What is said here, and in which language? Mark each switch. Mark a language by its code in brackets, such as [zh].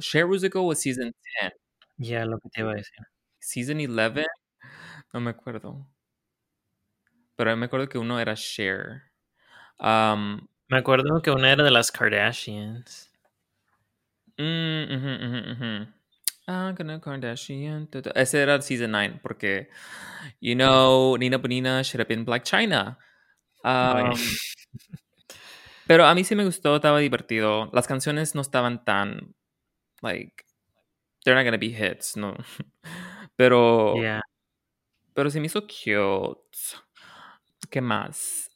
[en] Cher musical was season 10. [es] Ya, lo que te iba a decir. Season 11, no me acuerdo. Pero me acuerdo que uno era Cher. Me acuerdo que una era de las Kardashians. [en] Gonna Kardashian. [es] Ese era season 9, porque, [en] you know, Nina Bonina should have been Black China. [es] Pero a mí sí me gustó, estaba divertido. Las canciones no estaban tan, like, [en] they're not gonna be hits, [es] no. Pero, [en] yeah. [es] Pero se me hizo cute. ¿Qué más?